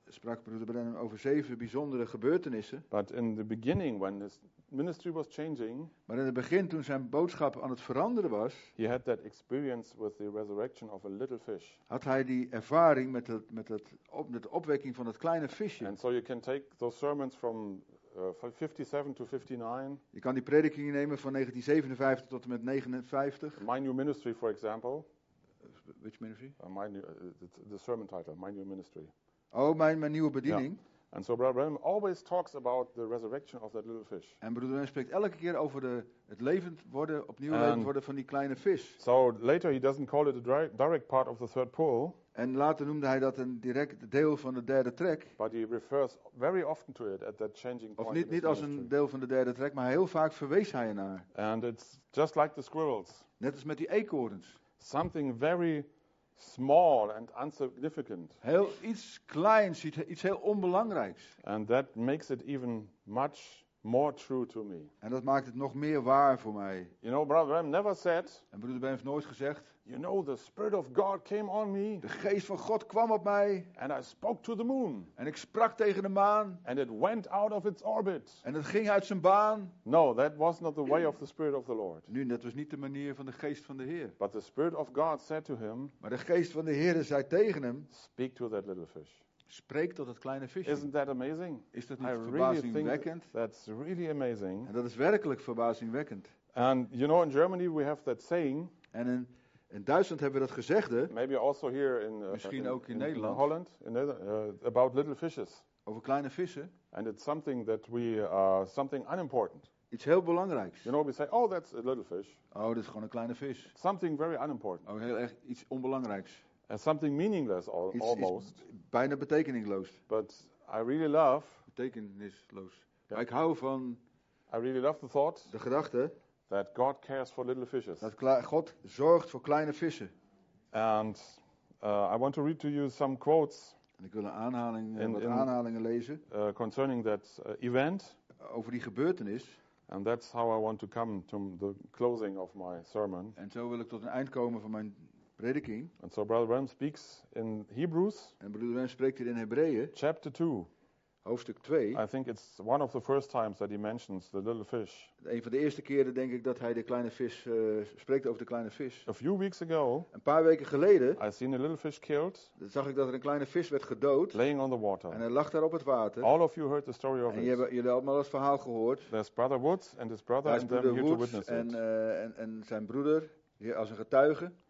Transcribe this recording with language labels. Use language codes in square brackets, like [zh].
[nl] Sprak Broeder Branham over zeven bijzondere gebeurtenissen. [en] But in the beginning, when his ministry was changing, [nl] maar in het begin toen zijn boodschap aan het veranderen was, [en] he had that experience with the resurrection of a little fish. [nl] Had hij die ervaring met de opwekking van het kleine visje. [en] And so you can take those sermons from 57 to 59. [nl] Je kan die predikingen nemen van 1957 tot en met 59. [en] My new ministry, for example. Which ministry? The sermon title, My New Ministry. [nl] Oh, mijn nieuwe bediening. Yeah. [en] And so Brother Branham always talks about the resurrection of that little fish. [nl] En Broeder Branham spreekt elke keer over het levend worden, opnieuw levend worden van die kleine vis. [en] So later he doesn't call it a direct part of the third pole. [nl] En later noemde hij dat een direct deel van de derde trek. [en] But he refers very often to it at that changing point. [nl] Of niet als een deel van de derde trek, maar heel vaak verwees hij ernaar. [en] And it's just like the squirrels. [nl] Net als met die eekhoorns. [en] Something very small and insignificant. [nl] Heel iets kleins, iets heel onbelangrijks. [en] And that makes it even much more true to me. [nl] En dat maakt het nog meer waar voor mij. [en] You know, Brother Bram never said. [nl] En Broeder Bram heeft nooit gezegd. [en] You know, the Spirit of God came on me. [nl] De Geest van God kwam op mij. [en] And I spoke to the moon. [nl] En ik sprak tegen de maan. [en] And it went out of its orbit. [nl] En het ging uit zijn baan. [en] No, that was not the way of the Spirit of the Lord. [nl] Nu, dat was niet de manier van de Geest van de Heer. [en] But the Spirit of God said to him. [nl] Maar de Geest van de Heer zei tegen hem. [en] Speak to that little fish. [nl] Spreek tot het kleine visje. [en] Isn't that amazing? [nl] Is dat niet verbazingwekkend? [en] That's really amazing. [nl] En dat is werkelijk verbazingwekkend. [en] And you know, in Germany we have that saying. [nl] En in Duitsland hebben we dat gezegde. [en] Maybe also here in. [nl] Misschien ook in Nederland. [en] In Holland, about little fishes. [nl] Over kleine vissen. [en] And it's something that we something unimportant. [nl] Iets heel belangrijks. [en] You know, we say, oh, that's a little fish. [nl] Oh, dat is gewoon een kleine vis. [en] Something very unimportant. [nl] Oh, heel erg iets onbelangrijks. [en] And something meaningless almost. [nl] Bijna betekeningloos. [en] But I really love. [nl] Betekenisloos. Yeah. Ik hou van. [en] I really love the thought. [nl] De gedachte. [en] That God cares for little fishes. [nl] Dat God zorgt voor kleine vissen. [en] And I want to read to you some quotes. [nl] En ik wil een aanhaling, wat aanhalingen lezen. [en] Concerning that event. [nl] Over die gebeurtenis. [en] And that's how I want to come to the closing of my sermon. [nl] En zo wil ik tot een eind komen van mijn. Prediking. [en] And so Brother Branham speaks in Hebrews. [nl] En Broeder Branham spreekt hier in Hebreeën. [en] Chapter 2. [nl] Hoofdstuk 2. [en] I think it's one of the first times that he mentions the little fish. [nl] Een van de eerste keren denk ik dat hij de kleine vis spreekt over de kleine vis. [en] A few weeks ago. [nl] Een paar weken geleden. [en] I seen a little fish killed. [nl] Zag ik dat er een kleine vis werd gedood. [en] Laying on the water. [nl] En hij lag daar op het water. [en] All of you heard the story of it. [nl] En jullie hebben allemaal het verhaal gehoord. [en] There's Brother Woods and his brother and them here to witness it. [nl] En zijn broeder hier als een getuige.